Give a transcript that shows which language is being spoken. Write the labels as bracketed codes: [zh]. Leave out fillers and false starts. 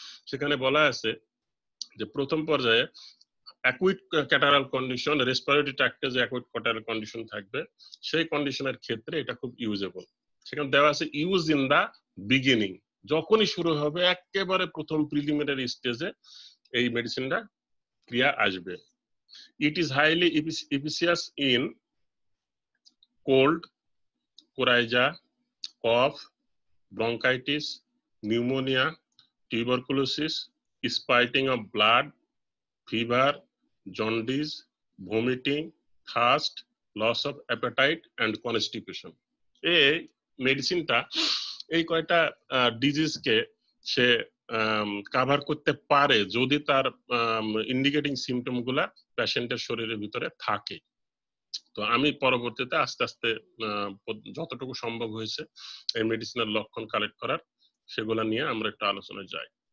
[bn] সেখানে বলা আছে যে প্রথম পর্যায়ে অ্যাকুইট ক্যাটারাল কন্ডিশন, রেসপিরেটরি ট্র্যাক্টে যে অ্যাকুইট ক্যাটারাল কন্ডিশন থাকবে সেই কন্ডিশনের ক্ষেত্রে এটা খুব ইউজেবল। সেখানে দেওয়া আছে [en] use in the beginning, [bn] যখনই শুরু হবে একেবারে প্রথম প্রিলিমিনারি স্টেজে এই মেডিসিনটা ক্রিয়া আসবে। [en] It is highly efficacious in cold, coryza, cough, bronchitis, pneumonia, tuberculosis, spitting of blood, fever, jaundice, vomiting, thirst, loss of appetite and constipation. [bn] এই মেডিসিনটা এই কয়টা ডিজিজ কে সে কভার করতে পারে যদি তার ইন্ডিকেটিং সিমটম গুলা পেশেন্টের শরীরের ভিতরে থাকে। তো আমি পরবর্তীতে আস্তে আস্তে যতটুকু সম্ভব হয়েছে এই মেডিসিনের লক্ষণ কালেক্ট করার সেগুলো নিয়ে আমরা একটু আলোচনায় যাই।